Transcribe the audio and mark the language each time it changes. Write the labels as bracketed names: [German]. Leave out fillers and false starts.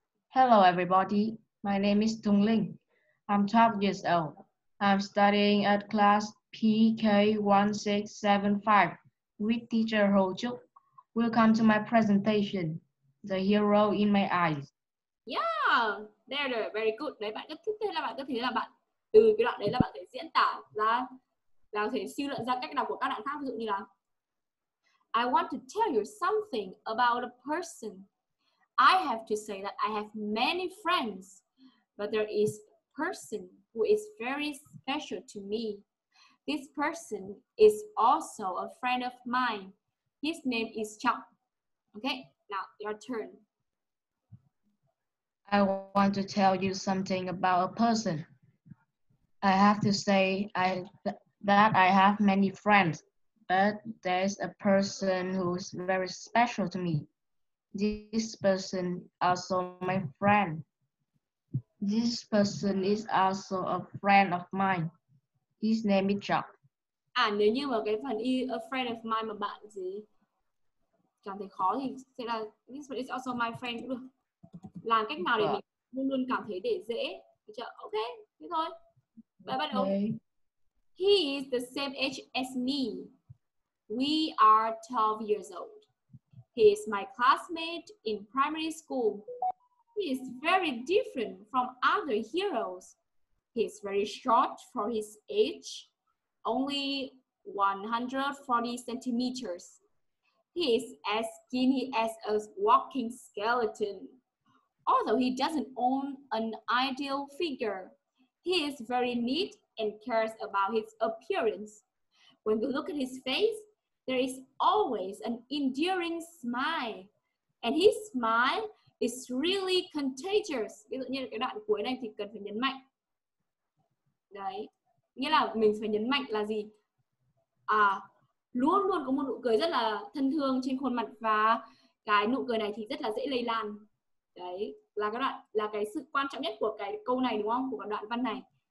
[English] Hello, everybody. My name is Tung Ling. I'm 12 years old. I'm studying at class PK1675 with teacher Ho Chuk. Welcome to my presentation, The Hero in My Eyes. Yeah, there, very good. [Vietnamese] Đấy, bạn có thể là bạn từ cái đoạn đấy là bạn thể diễn tả ra, là thể siêu luận ra cách nào của các đoạn khác, ví dụ như là [English] I want to tell you something about a person. I have to say that I have many friends, but there is person who is very special to me. This person is also a friend of mine. His name is Chuck. Okay, now your turn. I want to tell you something about a person. I have to say that I have many friends, but there's a person who's very special to me. This person also my friend. This person is also a friend of mine. His name is Chuck. [Vietnamese] À, nếu như mà cái phần [English] a friend of mine [Vietnamese] mà bạn gì cảm thấy khó thì sẽ là [English] this person is also my friend [Vietnamese] cũng được. Làm cách nào để mình luôn luôn cảm thấy để dễ. [English] Ok, [Vietnamese] thế thôi. Bạn bắt đầu. [English] Okay. He is the same age as me. We are 12 years old. He is my classmate in primary school. He is very different from other heroes. He is very short for his age, only 140 centimeters. He is as skinny as a walking skeleton. Although he doesn't own an ideal figure, he is very neat and cares about his appearance. When you look at his face, there is always an endearing smile, and his smile is really contagious. [Vietnamese] Ví dụ như cái đoạn cuối này thì cần phải nhấn mạnh. Đấy, nghĩa là mình phải nhấn mạnh là gì? À, luôn luôn có một nụ cười rất là thân thương trên khuôn mặt và cái nụ cười này thì rất là dễ lây lan. Đấy, là cái đoạn, là cái sự quan trọng nhất của cái câu này đúng không? Của đoạn văn này.